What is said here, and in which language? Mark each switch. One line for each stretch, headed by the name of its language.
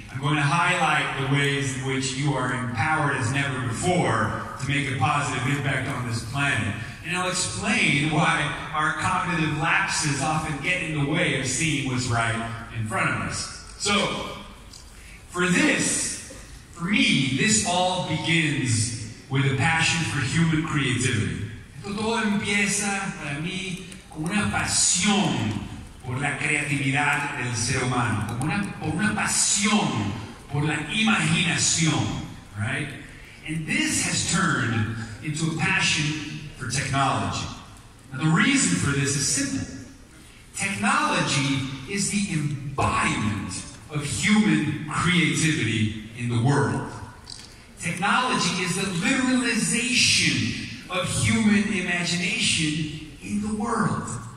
English: I'm going to highlight the ways in which you are empowered as never before to make a positive impact on this planet. And I'll explain why our cognitive lapses often get in the way of seeing what's right in front of us. So, for me, this all begins with a passion for human creativity.
Spanish: Esto todo empieza para mí con una pasión por la creatividad del ser humano, con una pasión por la imaginación, right?
English: And this has turned into a passion for technology. Now, the reason for this is simple. Technology is the embodiment of human creativity in the world. Technology is the literalization of human imagination in the world.